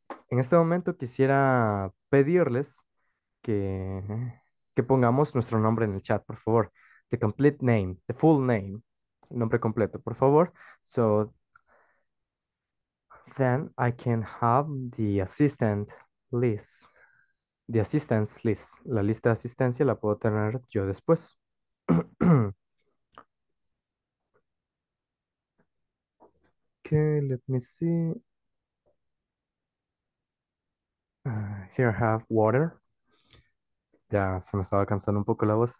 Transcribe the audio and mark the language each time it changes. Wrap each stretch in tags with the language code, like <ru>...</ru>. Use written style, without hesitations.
<es>En este momento quisiera pedirles que pongamos nuestro nombre en el chat, por favor.</es> <en>The complete name, the full name.</en> <es>El nombre completo, por favor.</es> <en>So then I can have the assistant list. The assistance list.</en> <es>La lista de asistencia la puedo tener yo después.</es> <en>Okay, let me see. Here I have water.</en> <es>Ya, se me estaba cansando un poco la voz.</es>